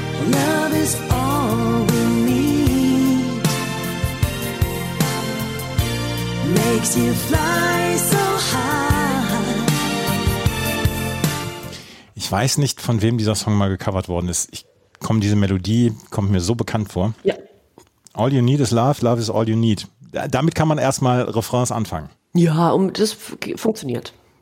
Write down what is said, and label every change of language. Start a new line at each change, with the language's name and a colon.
English: Love is all we need. Makes you fly so high.
German: Ich weiß nicht, von wem dieser Song mal gecovert worden ist. Diese Melodie kommt mir so bekannt vor. Ja.
English: All you need is love, love is all you need.
German: Damit kann man erstmal Refrains anfangen. Ja, und das funktioniert.